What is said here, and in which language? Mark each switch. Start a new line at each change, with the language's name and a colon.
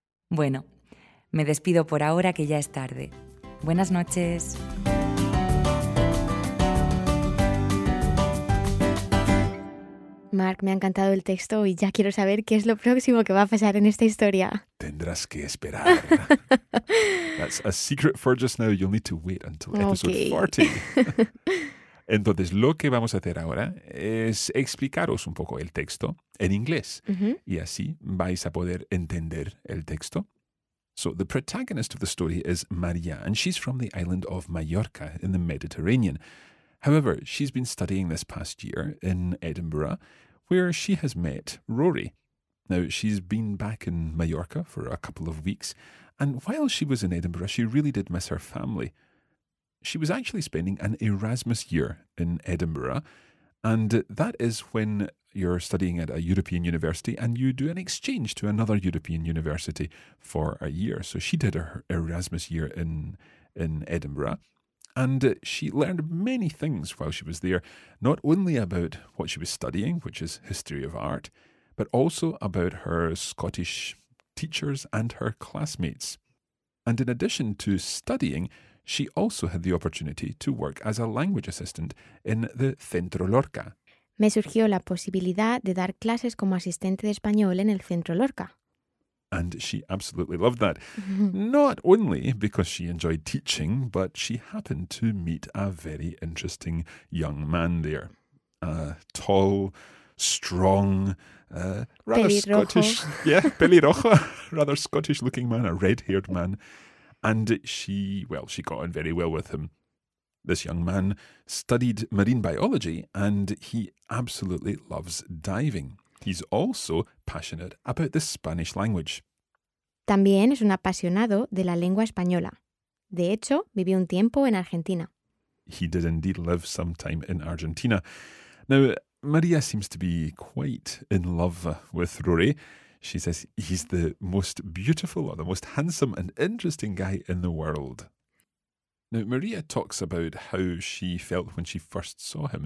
Spanish: Bueno, me despido por ahora que ya es tarde. Buenas noches. Mark, me ha encantado el texto y ya quiero saber qué es lo próximo que va a pasar en esta historia. Tendrás que esperar.
English: That's a secret for just now. You'll need to wait until episode 40.
Spanish: Entonces, lo que vamos a hacer ahora es explicaros un poco el texto en inglés. Uh-huh. Y así vais a poder entender el texto.
English: So, the protagonist of the story is María, and she's from the island of Mallorca in the Mediterranean. However, she's been studying this past year in Edinburgh, where she has met Rory. Now, she's been back in Mallorca for a couple of weeks, and while she was in Edinburgh, she really did miss her family. She was actually spending an Erasmus year in Edinburgh, and that is when you're studying at a European university and you do an exchange to another European university for a year. So she did her Erasmus year in Edinburgh, and she learned many things while she was there, not only about what she was studying, which is history of art, but also about her Scottish teachers and her classmates. And in addition to studying, she also had the opportunity to work as a language assistant in the Centro Lorca.
Spanish: Me surgió la posibilidad de dar clases como asistente de español en el Centro Lorca.
English: And she absolutely loved that. Not only because she enjoyed teaching, but she happened to meet a very interesting young man there. A tall, strong, rather
Spanish: pelirrojo.
English: Scottish. Yeah, pelirrojo. Rather Scottish looking man, a red-haired man. And she got on very well with him. This young man studied marine biology and he absolutely loves diving. He's also passionate about the Spanish language.
Spanish: También es un apasionado de la lengua española. De hecho, vivió un tiempo en Argentina.
English: He did indeed live some time in Argentina. Now, María seems to be quite in love with Rory. She says he's the most beautiful or the most handsome and interesting guy in the world. Now, María talks about how she felt when she first saw him.